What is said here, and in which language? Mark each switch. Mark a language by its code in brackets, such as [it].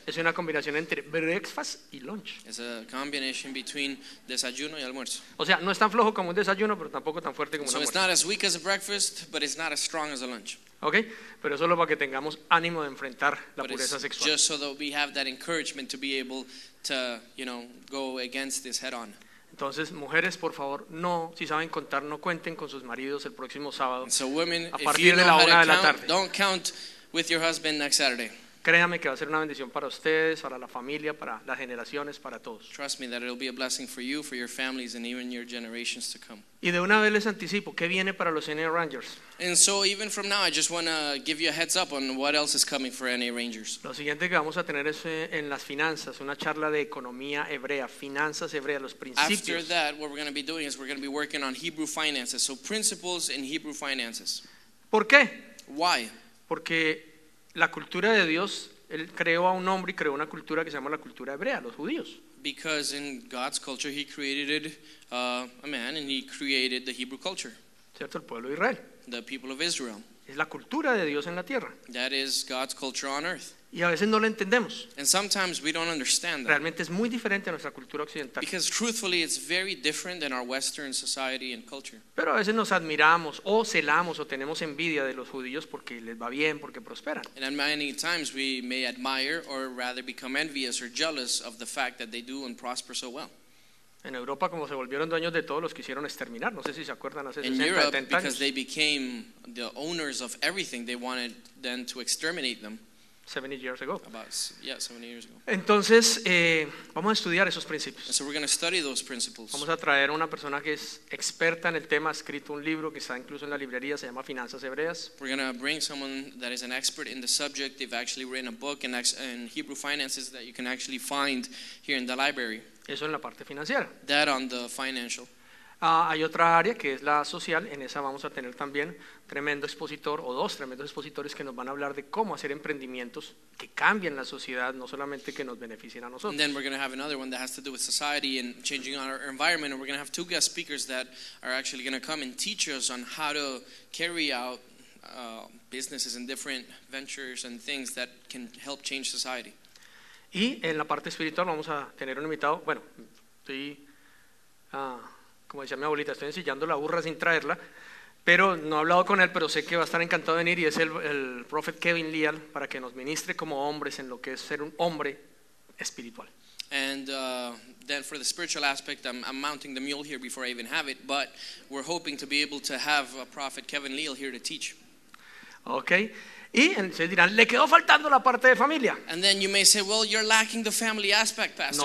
[es] Es una combinación entre [en] breakfast [es] y [en] lunch. It's a combination between [es] desayuno y almuerzo. O sea, no es tan flojo como un desayuno, pero tampoco tan fuerte como un almuerzo. [en] So it's not as weak as a breakfast, but it's not as strong as a lunch. [es] Okay, pero solo para que tengamos ánimo de enfrentar la pureza sexual. [en] Just so that we have that encouragement to be able to, you know, go against this head on. [es] Entonces, mujeres, por favor, no, si saben contar, no cuenten con sus maridos el próximo sábado. [en] So women, [es] a partir de la una de la tarde. [en] Don't count with your husband next Saturday. [es] Créame que va a ser una bendición para ustedes, para la familia, para las generaciones, para todos. [en] Trust me that it'll be a blessing for you, for your families, and even your generations to come. [es] Y de una vez les anticipo, ¿qué viene para los NA Rangers? [en] And so even from now, I just want to give you a heads up on what else is coming for NA Rangers. [es] Lo siguiente que vamos a tener es en las finanzas, una charla de economía hebrea, finanzas hebreas, los principios. [en] After that, what we're going to be doing is we're going to be working on Hebrew finances, so principles in Hebrew finances. [es] ¿Por qué? [en] Why? [es] Porque la cultura de Dios, él creó a un hombre y creó una cultura que se llama la cultura hebrea, los judíos. [en] Because in God's culture he created a man and he created the Hebrew culture. [es] ¿Cierto? El pueblo de Israel. [en] The people of Israel. [es] Es la cultura de Dios en la tierra. [en] That is God's culture on earth. [es] Y a veces no lo entendemos. [en] And sometimes we don't understand that. [es] Realmente es muy diferente a nuestra cultura occidental. [en] Because truthfully it's very different than our Western society and culture. [es] Pero a veces nos admiramos o celamos o tenemos envidia de los judíos porque les va bien, porque prosperan. [en] And many times we may admire or rather become envious or jealous of the fact that they do and prosper so well. [es] En Europa, como se volvieron dueños de todos los quisieron exterminar, no sé si se acuerdan hace 60, [en] Europe, [es] 70 años. [en] Because they became the owners of everything, they wanted then to exterminate them. 70 years ago. About 70 years ago. [es] Entonces, vamos a estudiar esos principios. [en] And so we're going to study those principles. [es] Vamos a traer una persona que es experta en el tema, ha escrito un libro que está incluso en la librería, se llama Finanzas Hebreas. [en] We're going to bring someone that is an expert in the subject. They've actually written a book in Hebrew finances that you can actually find here in the library. [es] Eso en la parte financiera. [en] That on the financial. [es] Hay otra área que es la social, en esa vamos a tener también tremendo expositor o dos tremendos expositores que nos van a hablar de cómo hacer emprendimientos que cambien la sociedad, no solamente que nos beneficien a nosotros. [en] And then we're going to have another one that has to do with society and changing our environment, and we're going to have two guest speakers that are actually going to come and teach us on how to carry out businesses and different ventures and things that can help change society. [es] Y en la parte espiritual vamos a tener un invitado, bueno, estoy, como decía mi abuelita, estoy ensillando la burra sin traerla, pero no he hablado con él, pero sé que va a estar encantado de venir, y es el prophet Kevin Leal, para que nos ministre como hombres en lo que es ser un hombre espiritual. [en] And then for the spiritual aspect, I'm mounting the mule here before I even have it, but we're hoping to be able to have a prophet Kevin Leal here to teach. Okay. [es] Y se dirán, le quedó faltando la parte de familia. [en] And then you may say, well, you're lacking the family aspect, Pastor.